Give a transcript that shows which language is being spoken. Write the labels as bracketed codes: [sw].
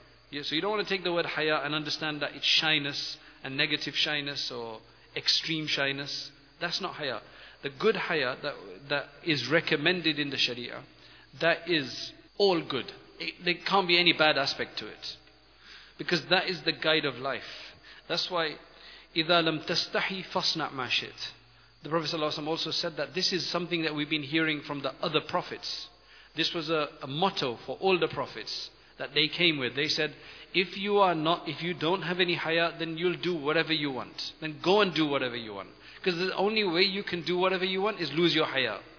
[en] Yeah, so you don't want to take the word haya and understand that it's shyness and negative shyness or extreme shyness. That's not haya. The good haya that is recommended in the Sharia, that is all good. There can't be any bad aspect to it. Because that is the guide of life. That's why, [ar] إِذَا لَمْ تَسْتَحِي فَصْنَعْ مَا شِئْتَ. [en] The Prophet ﷺ also said that this is something that we've been hearing from the other prophets. This was a motto for all the prophets that they came with. They said, if you don't have any haya, then you'll do whatever you want. Then go and do whatever you want. Because the only way you can do whatever you want is lose your haya.